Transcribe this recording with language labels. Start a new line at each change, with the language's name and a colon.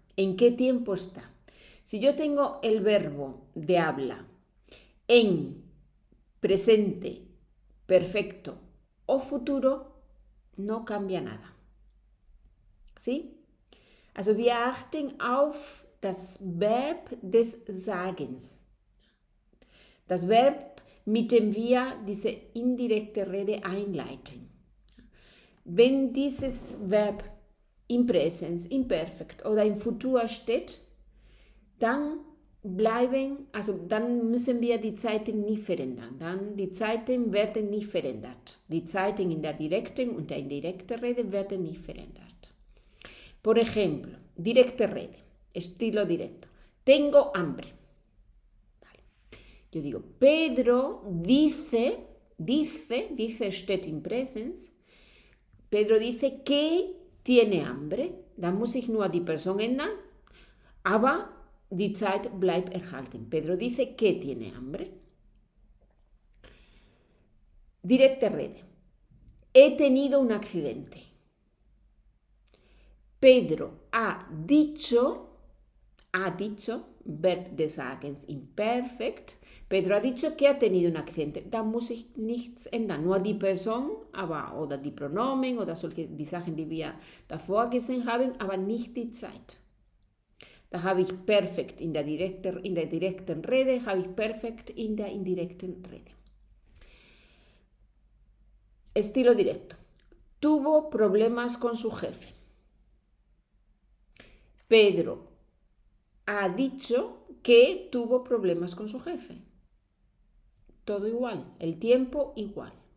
Spanish: ¿En qué tiempo está? Si yo tengo el verbo de habla en presente, perfecto o futuro, no cambia nada. ¿Sí?
German: Also wir achten auf das Verb des Sagens. Das Verb, mit dem wir diese indirekte Rede einleiten. Wenn dieses Verb im Präsens, im Perfekt oder im Futur steht, dann müssen wir die Zeiten nicht verändern. Dann die Zeiten werden nicht verändert. Die Zeiten in der direkten und der indirekten Rede werden nicht verändert.
Spanish: Por ejemplo,
German: direkte Rede,
Spanish: estilo directo. Tengo hambre. Vale. Yo digo, Pedro dice,
German: steht im Präsens.
Spanish: Pedro dice que tiene hambre.
German: Dann muss ich nur die Person ändern. Aber die Zeit bleibt erhalten.
Spanish: Pedro dice que tiene hambre.
German: Directe rede.
Spanish: He tenido un accidente. Pedro ha dicho,
German: verb des Sagens imperfect.
Spanish: Pedro ha dicho que ha tenido un accidente.
German: Da muss ich nichts ändern. Nur die Person, aber, oder die Pronomen, oder solche, die Sachen, die wir davor gesehen haben, aber nicht die Zeit. Da habe ich perfekt in der direkten Rede, habe ich perfekt in der indirekten Rede.
Spanish: Estilo directo. Tuvo problemas con su jefe. Pedro ha dicho que tuvo problemas con su jefe. Todo igual, el tiempo igual.